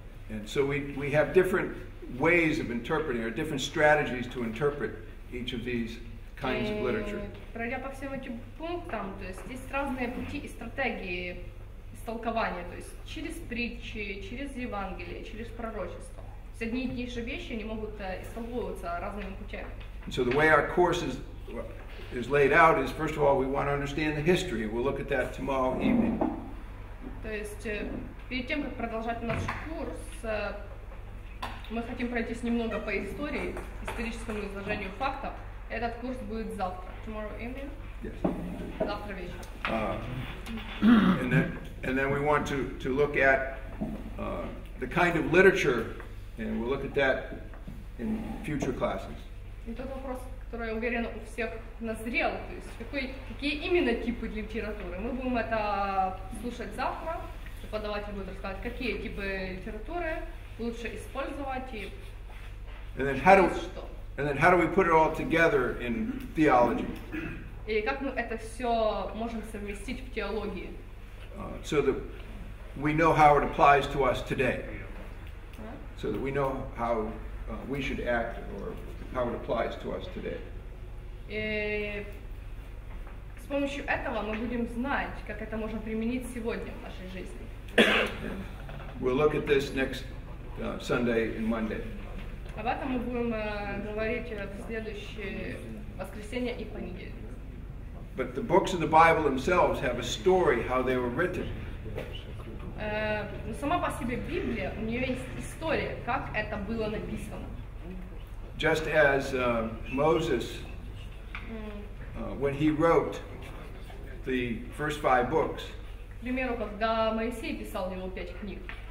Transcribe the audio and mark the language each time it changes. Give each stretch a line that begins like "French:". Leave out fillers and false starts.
English: And so we have different ways of interpreting, or different strategies to interpret each of these kinds of literature.
Russian: Пройдя по всем этим пунктам, то есть есть разные пути и стратегии истолкования, то есть через притчи, через Евангелие, через пророчество. То есть одни и те же вещи, они могут истолковываться разными путями.
English: So the way our course is laid out is, first of all, we want to understand the history. We'll look at that tomorrow evening.
Russian: То есть перед тем, как продолжать наш курс, мы хотим пройтись немного по истории, историческому изложению фактов. Этот курс будет завтра.
English: Tomorrow evening? Yes.
Russian: Завтра вечером.
English: And then we want to look at the kind of literature, and we'll look at that in future classes.
Russian: И тот вопрос, который, я уверен, у всех назрел, то есть какие именно типы литературы. Мы будем это слушать завтра. Преподаватель будет рассказывать, какие типы литературы лучше использовать и что.
English: And then how do we put it all together in theology?
Russian: И как мы это все можем совместить в теологии?
English: So that we know how it applies to us today. So that we know how we should act, or how it applies to us today.
Russian: И с помощью этого мы будем знать, как это можно применить сегодня в нашей жизни.
English: We'll look at this next Sunday and Monday.
Russian: Об этом мы будем говорить в следующее воскресенье и понедельник.
English: But the books of the Bible themselves have a story how they were written.
Russian: Сама по себе Библия, у нее есть история, как это было написано.
English: Just as Moses, when he wrote the first five books,
Russian: к примеру, когда Моисей писал его пять книг.